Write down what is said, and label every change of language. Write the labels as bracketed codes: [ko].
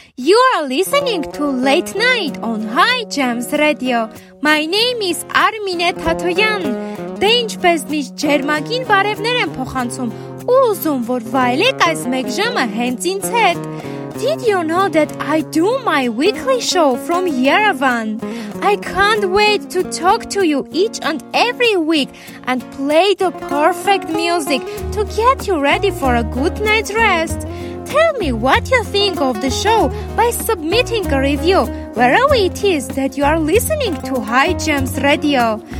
[en] You are listening to Late Night on High Jams Radio. My name is Armine Tatoyan. [hy] Դինչ բեզնից ջերմագին բարևներ եմ փոխանցում ու ուզում, որ վայելեք այս մեկ ժամը հենց ինձ հետ. [en] Did you know that I do my weekly show from Yerevan? I can't wait to talk to you each and every week and play the perfect music to get you ready for a good night's rest. Tell me what you think of the show by submitting a review wherever it is that you are listening to High Jams Radio.